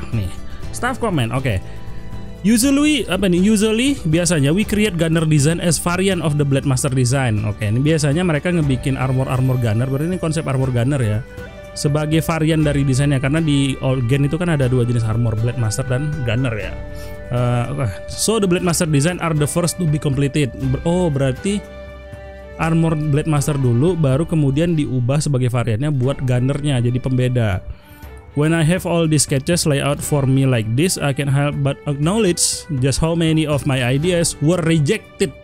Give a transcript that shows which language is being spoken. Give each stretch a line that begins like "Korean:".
English: Nih, staff comment. Oke. Okay. Usually biasanya we create gunner design as variant of the blade master design.
Indonesian: Oke, okay. Ini biasanya mereka ngebikin armor gunner. Berarti ini konsep armor gunner ya. Sebagai varian dari desainnya, karena di old gen itu kan ada dua jenis armor, blade master dan gunner ya.
English: So the blade master design are the first to be completed.
Indonesian: Oh, berarti armor Blade Master dulu, baru kemudian diubah sebagai variannya buat gunner-nya, jadi pembeda.
English: When I have all these sketches layout for me like this, I can't help but acknowledge just how many of my ideas were rejected.